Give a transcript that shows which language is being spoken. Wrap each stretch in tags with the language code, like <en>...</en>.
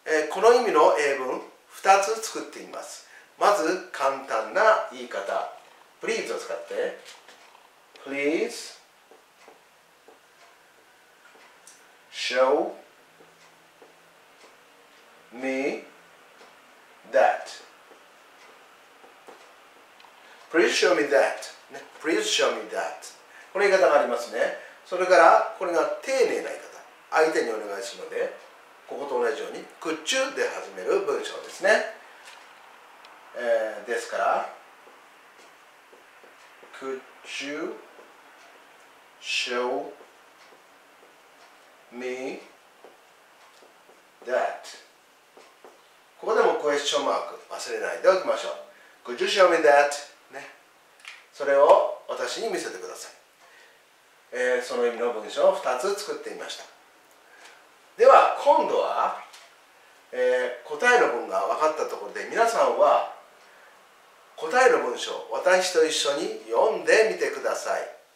<ja>この意味の英文2つ作ってみます。まず簡単な言い方、Please を使って</ja> <en>Please show me that. Please show me that. Please show me that.</en> <ja>この言い方がありますね。それからこれが丁寧な言い方、相手にお願いするので、ここと同じように、could you で始める文章ですね。ですから</ja> <en>Could you show me that?</en> <ja>ここでもクエスチョンマーク忘れないでおきましょう。</ja> <en>Could you show me that?、</en> <ja>ね、それを私に見せてください。その意味の文章を2つ作ってみました。では今度は、答えの文が分かったところで皆さんは答える文章私と一緒に読んでみてください。</ja>